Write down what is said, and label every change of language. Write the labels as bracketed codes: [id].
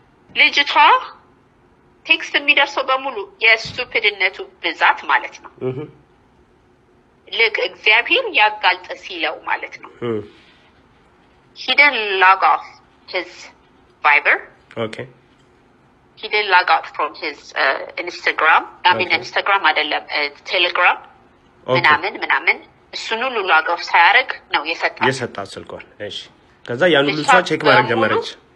[am] ልጅቷ ቴክስት የሚደርሰው በሙሉ የስቱፒድነቱ ብዛት ማለት ነው። ልክ እግዚአብሔር ያጋልጥ ሲለው ማለት ነው። [en] He didn't log off his Viber. Okay. He didn't log off from his Instagram. Instagram [am] አይደለም [en] Telegram. [am] ምናምን ምናምን እሱን ሁሉ log off ሳያረግ ነው የሰጣው። የሰጣው ስልኳን። እሺ። ከዛ ያን ሁሉ ሷ ቼክ ማድረግ ጀመረች።